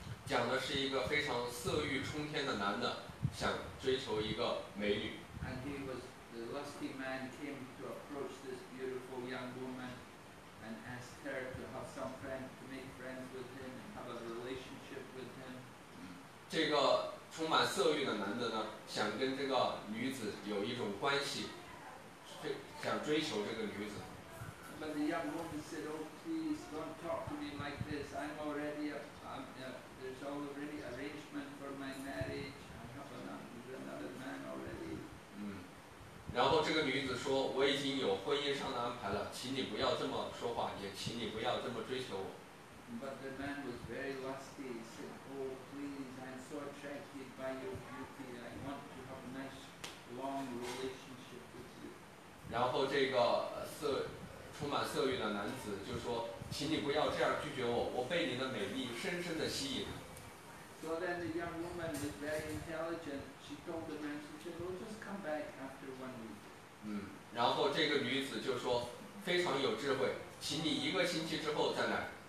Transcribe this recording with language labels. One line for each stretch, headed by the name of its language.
Chinese: 讲的是一个非常色欲冲天的男的，想追求一个美女。
English: And he was the lusty man came to approach this beautiful young woman. And asked her to have some friend to make friends with him and have a relationship with him.
Chinese: 这个充满色欲的男的呢，想跟这个女子有一种关系，想追求这个女子。
English: But the young woman said, "Oh, please don't talk to me like this. I'm already there's already arrangement for my marriage. I have another man already."
Chinese: 嗯，然后这个女子说，我已经有婚姻上的安排了，请你不要这么说话，也请你不要这么追求我。
English: But the man was very lusty. He said, "Oh, please, I'm so attracted by your beauty. I want to have a nice long relationship with you."
Chinese: 然后这个色充满色欲的男子就说，请你不要这样拒绝我，我被你的美丽深深的吸引。
English: So then the young woman was very intelligent. She told the man, she said, "We'll just come back after one week."
Chinese: 嗯，然后这个女子就说，非常有智慧，请你一个星期之后再来。